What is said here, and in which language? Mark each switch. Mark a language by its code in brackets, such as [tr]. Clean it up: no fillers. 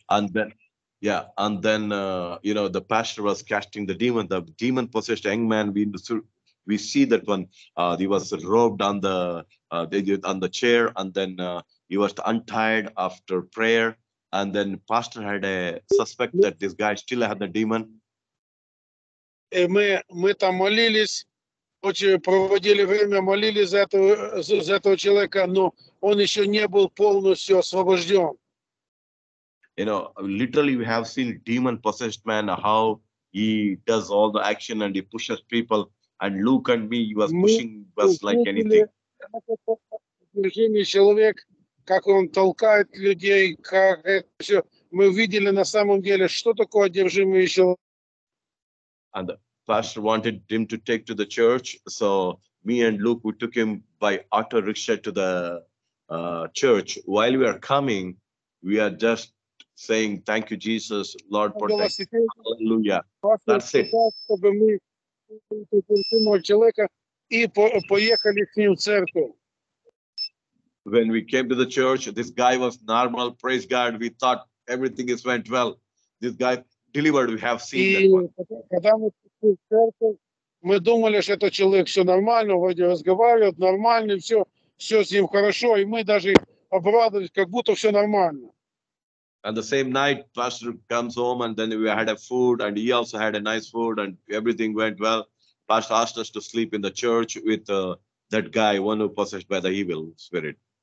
[en] And then, yeah, and then you know, the pastor was casting the demon. The demon possessed young man. We see that one. He was robed on the chair, and then he was untied after prayer. And then pastor had a suspect that this guy still had the demon. [ru] Мы там молились, очень проводили время, молились за этого человека, но он еще не был полностью освобожден. [en] You know, literally we have seen demon possessed man, how he does all the action and he pushes people. And Luke and me, he was pushing us like anything. [ru] Одержимый человек, как он толкает людей, как это все. Мы видели на самом деле, что такое одержимый человек. [en] And the pastor wanted him to take to the church. So me and Luke, we took him by auto rickshaw to the church. While we are coming, we are just saying, thank you, Jesus, Lord, protect. Hallelujah. That's it. [ru] Чтобы мы одержимого человека и поехали с ним в церковь. [en] When we came to the church, this guy was normal. Praise God. We thought everything is went well. This guy delivered. We have seen that one. [ru] Мы думали, что этот человек все нормально, вроде разговаривает, нормально, все с ним хорошо. И мы даже обрадовались, как будто все нормально. [en] And the same night, pastor comes home, and then we had a food, and he also had a nice food, and everything went well. Pastor asked us to sleep in the church with that guy, one who possessed by the evil spirit.